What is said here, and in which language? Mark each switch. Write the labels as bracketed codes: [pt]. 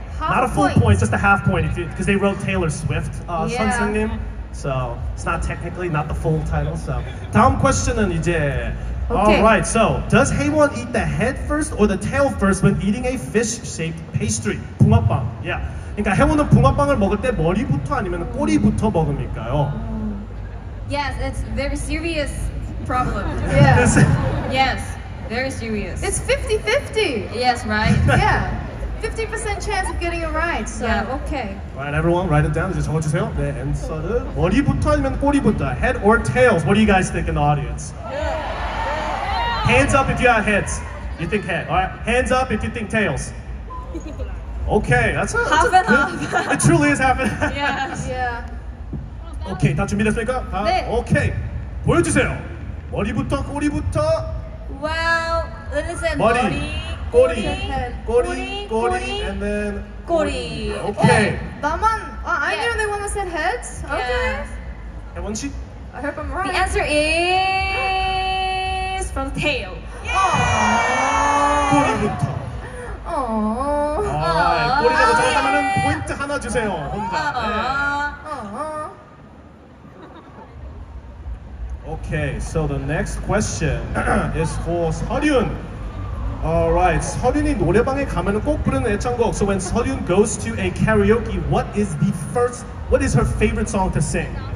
[en] Not a full point, just a half point. Because they wrote Taylor Swift, yeah. [ko] 선생님. [en] So it's not technically not the full title. So [ko] 다음 [en] question [ko] 은 이제. [en] Okay. All right. So does Haewon eat the head first or the tail first when eating a fish-shaped pastry? [ko] 붕어빵. [en] Yeah. [ko] 그러니까 Haewon은 붕어빵을 먹을 때 머리부터 아니면 꼬리부터 먹습니까요? [en] Yes, it's very serious problem. Yeah. Yes. Very serious. It's 50-50. Yes, right? Yeah. 50% chance of getting it right. So, yeah. Okay. Right, everyone, write it down. [ko] 이제 적어주세요. 네, 엔서드. 머리부터 아니면 꼬리부터? [en] Head or tails? What do you guys think in the audience? Yeah. Hands up if you have heads. You think head. All right. Hands up if you think tails. Okay. That's half and half. It truly is half and half. Yes. Yeah. Okay. [ko] 다 준비됐습니까? 네. [en] Okay. [ko] 보여주세요. 머리부터 꼬리부터? [en] Well, listen, [ko] 머리, 꼬리, 꼬리, 꼬리, 꼬리, [en] and then [ko] 꼬리. 꼬리. [en] Okay. Oh, [ko] 나만, [en] I knew they wanna say heads. Okay. Yeah. And once you? I hope I'm right. The answer is from the tail. Yeah. [ko] Oh. 꼬리부터. [en] Oh. Alright. [ko] 꼬리가 더 잘한다면 포인트 하나 주세요. 혼자. [en] Okay, so the next question is for 서륜. [ko] Alright, 서륜이 노래방에 가면 꼭 부르는 애창곡. [en] So when 서륜 goes to a karaoke, what is her favorite song to sing?